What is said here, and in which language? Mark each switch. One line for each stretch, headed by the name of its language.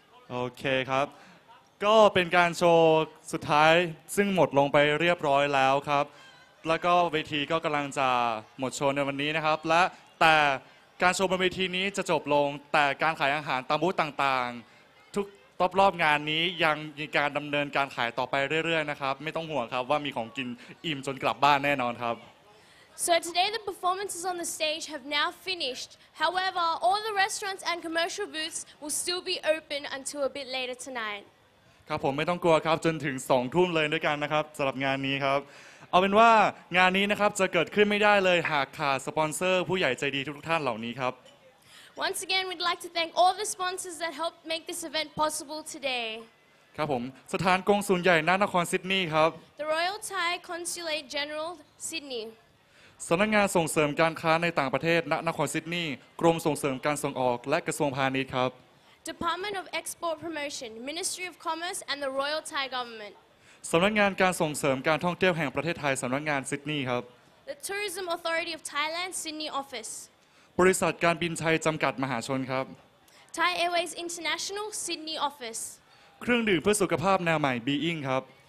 Thai: โอเคครับก็เป็นการโชว์สุดท้ายซึ่งหมดลงไปเรียบร้อยแล้วครับแล้วก็เวทีก็กำลังจะหมดโชว์ในวันนี้นะครับและแต่การโชว์บนเวทีนี้จะจบลงแต่การขายอาหารตามบูธต่างๆทุกรอบงานนี้ยังมีการดำเนินการขายต่อไปเรื่อยๆนะครับไม่ต้องห่วงครับว่ามีของกินอิ่มจนกลับบ้านแน่นอนครับ
English: So today the performances on the stage have now finished. However, all the restaurants and commercial booths will still be open until a bit later tonight.
Thai: ครับผมไม่ต้องกลัวครับจนถึง2ทุ่มเลยด้วยกันนะครับสำหรับงานนี้ครับเอาเป็นว่างานนี้นะครับจะเกิดขึ้นไม่ได้เลยหากขาดสปอนเซอร์ผู้ใหญ่ใจดีทุกท่านเหล่านี้ครับ
English: Once again we'd like to thank all the sponsors that helped make this event possible today
Thai: ครับผมสถานกงสุลใหญ่ณนครซิดนีย์ครับ
English: The Royal Thai Consulate General Sydney
Thai: สำนักงานส่งเสริมการค้าในต่างประเทศณนครซิดนีย์กรมส่งเสริมการส่งออกและกระทรวงพาณิชย์ครับ
English: Department of Export Promotion Ministry of Commerce and the Royal Thai Government
Thai: สำนักงานการส่งเสริมการท่องเที่ยวแห่งประเทศไทยสำนักงานซิดนีย์ครับ
English: The Tourism Authority of Thailand Sydney Office
Thai: บริษัทการบินไทยจำกัดมหาชนครับ
English: Thai Airways International Sydney Office
Thai: เครื่องดื่มเพื่อสุขภาพแนวใหม่ Being ครับ